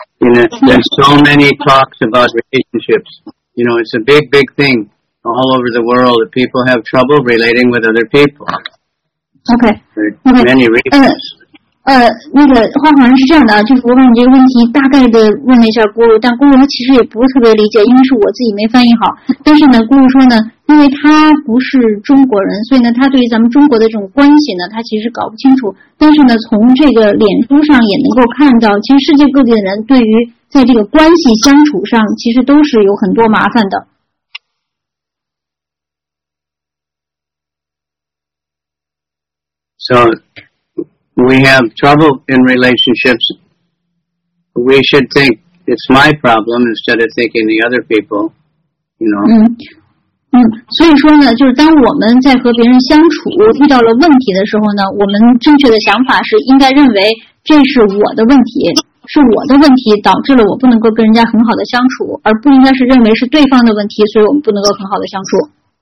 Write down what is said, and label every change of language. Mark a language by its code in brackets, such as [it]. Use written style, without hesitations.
[en] You know, there's so many talks about relationships. You know, it's a big, big thing all over the world that people have trouble relating with other people. Okay. For many reasons. [zh] 那个花环是这样的啊，就是我把你这个问题大概的问了一下咕噜，但咕噜他其实也不是特别理解，因为是我自己没翻译好。但是呢，咕噜说呢，因为他不是中国人，所以呢，他对于咱们中国的这种关系呢，他其实搞不清楚。但是呢，从这个脸书上也能够看到，其实世界各地的人对于在这个关系相处上，其实都是有很多麻烦的。 [en] So. We have trouble in relationships. We should think it's my problem instead of thinking the other people, you know. [zh] 所以说呢，就是当我们在和别人相处遇到了问题的时候呢，我们正确的想法是应该认为这是我的问题，是我的问题导致了我不能够跟人家很好的相处，而不应该是认为是对方的问题，所以我们不能够很好的相处。